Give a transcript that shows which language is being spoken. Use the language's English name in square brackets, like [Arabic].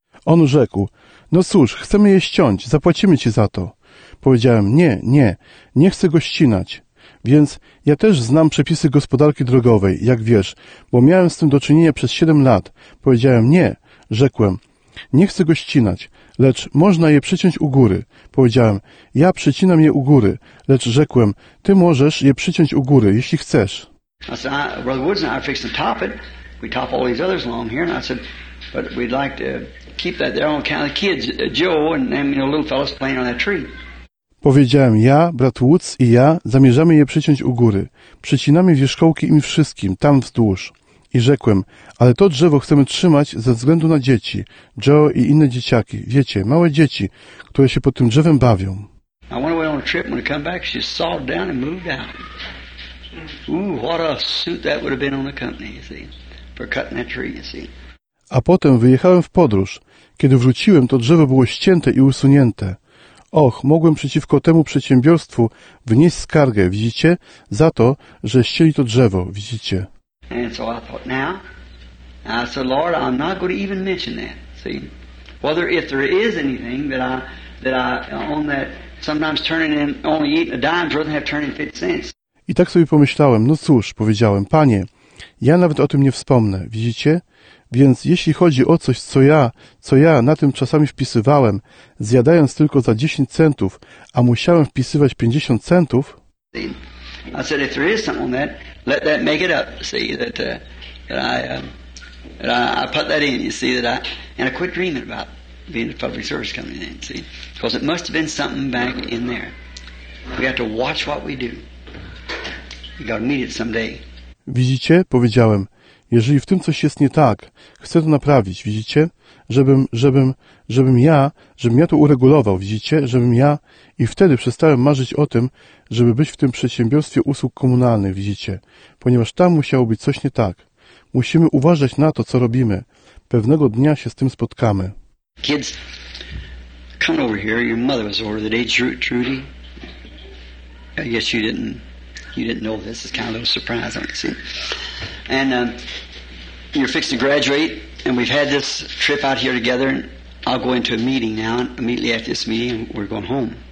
[Polish] On rzekł, no cóż, chcemy je ściąć, zapłacimy ci za to. Powiedziałem, nie chcę go ścinać. Więc ja też znam przepisy gospodarki drogowej, jak wiesz, bo miałem z tym do czynienia przez 7 lat. Powiedziałem, nie, rzekłem, nie chcę go ścinać, lecz można je przyciąć u góry. Powiedziałem, ja przycinam je u góry, lecz rzekłem, ty możesz je przyciąć u góry, jeśli chcesz. [English] I said, Brother Woods and I fixed to top it. We top all these others along here. And I said, but we'd like to keep that there on account of the kids, Joe and them, you know, little fellas playing on that tree. [Polish] Powiedziałem, ja, brat Woods i ja zamierzamy je przyciąć u góry. Przycinamy wierzchołki im wszystkim, tam wzdłuż. I rzekłem, ale to drzewo chcemy trzymać ze względu na dzieci, Joe i inne dzieciaki, wiecie, małe dzieci, które się pod tym drzewem bawią. [English] a trip. When I come back, she sawed down and moved out. Ooh, what a suit that would have been on the company, you see, for cutting that tree, you see. [Polish] A potem wyjechałem w podróż. Kiedy wróciłem, to drzewo było ścięte i usunięte. Och, mogłem przeciwko temu przedsiębiorstwu wnieść skargę, widzicie, za to, że ścięli to drzewo, widzicie. [English] And so I thought, now, I said, Lord, I'm not going to even mention that, see. Whether if there is anything that I own that sometimes turning in only eating a dime's worth and have turning 50 cents. [Polish] I tak sobie pomyślałem, no cóż, powiedziałem, panie, ja nawet o tym nie wspomnę, widzicie? Więc jeśli chodzi o coś, co ja na tym czasami wpisywałem, zjadając tylko za 10 centów, a musiałem wpisywać 50 centów, [English] I said, if there is something on that, let that make it up, see, that I put that in, you see, and I quit dreaming about being a public service company, in, see, because it must have been something back in there. We have to watch what we do. We got to meet it someday. [Polish] Widzicie, powiedziałem, jeżeli w tym coś jest nie tak, chcę to naprawić, widzicie, żebym ja to uregulował, widzicie, żebym ja, i wtedy przestałem marzyć o tym, żeby być w tym przedsiębiorstwie usług komunalnych, widzicie, ponieważ tam musiało być coś nie tak. Musimy uważać na to, co robimy. Pewnego dnia się z tym spotkamy. [English] Kids, come over here. Your mother was over the day, Trudy. I guess you didn't know this. It's kind of a little surprise, don't you see? And you're fixed to graduate, and we've had this trip out here together, and I'll go into a meeting now, and immediately after this meeting, we're going home.